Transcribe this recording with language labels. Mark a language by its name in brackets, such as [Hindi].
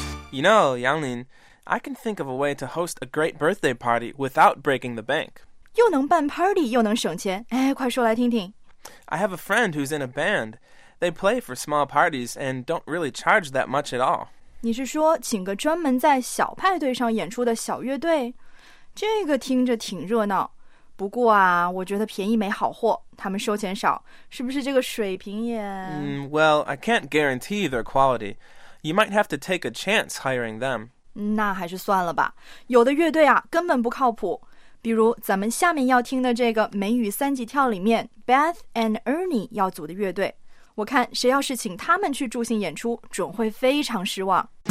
[English] You know, Yanglin, I can think of a way to host a great birthday party without breaking the bank. [Chinese] 又能办 party 又能省钱，哎，快说来听听。 [English] I have a friend who's in a band. They play for small parties and don't really charge that much at all. [Chinese] 你是说请个专门在小派对上演出的小乐队？这个听着挺热闹，不过啊，我觉得便宜没好货，他们收钱少，是不是这个水平也 [English] Well, I can't guarantee their quality. You might have to take a chance hiring them. [Chinese] 那还是算了吧，有的乐队啊，根本不靠谱。比如咱们下面要听的这个美语三级跳里面 Beth and Ernie 要组的乐队，我看谁要是请他们去助兴演出，准会非常失望。